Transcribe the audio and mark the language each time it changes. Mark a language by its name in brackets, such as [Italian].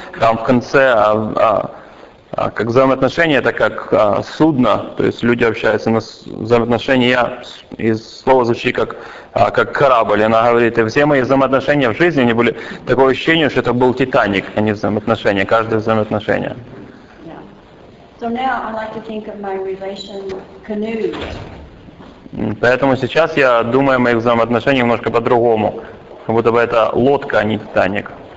[Russian] Там в конце как взаимоотношения, это как судно, то есть люди общаются на взаимоотношения, и слово звучит как корабль. Она говорит, и все мои взаимоотношения в жизни, они были такое ощущение, что это был Титаник, а не взаимоотношения, каждое взаимоотношение. [English] Yeah. So now I like to think of my relation canoes. [Russian] Поэтому сейчас я думаю о моих взаимоотношениях немножко по-другому, как будто бы это лодка, а не Титаник.